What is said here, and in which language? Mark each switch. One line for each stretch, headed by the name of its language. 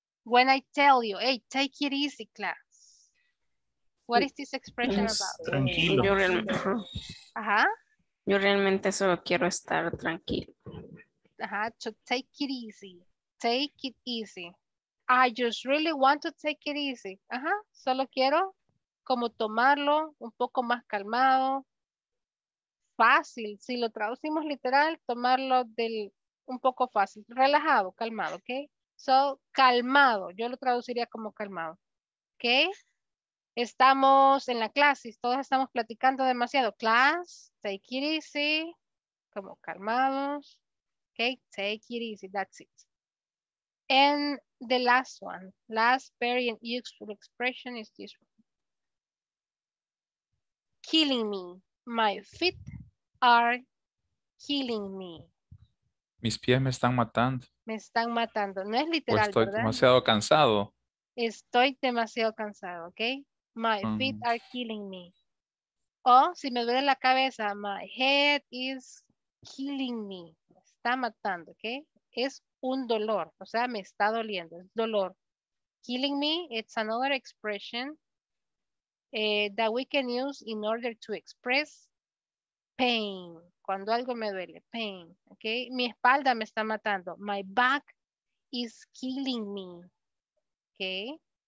English: When I tell you, hey, take it easy, class. What is this expression about?
Spanish: Tranquilo. Yo realmente, yo realmente solo quiero estar tranquilo.
English: To take it easy. Take it easy. I just really want to take it easy.
Spanish: Ajá, solo quiero como tomarlo un poco más calmado. Fácil, si lo traducimos literal, tomarlo del un poco fácil, relajado, calmado, ¿ok? So, calmado, yo lo traduciría como calmado, ¿ok? Estamos en la clase, todos estamos platicando demasiado.
English: Class, take it easy,
Spanish: como calmados,
English: ¿ok? Take it easy, that's it. And the last one, last very useful expression is this one. Killing me. My feet are killing me.
Spanish: Mis pies me están matando. Me están matando. No es literal, estoy, ¿verdad? Demasiado cansado. Estoy demasiado cansado, ¿ok?
English: My feet are killing me.
Spanish: O si me duele la cabeza,
English: my head is killing me.
Spanish: Me está matando, ¿ok? Es un dolor, o sea, me está doliendo, es dolor.
English: Killing me, it's another expression that we can use in order to express pain.
Spanish: Cuando algo me duele, pain, ¿ok? Mi espalda me está matando.
English: My back is killing me, ¿ok?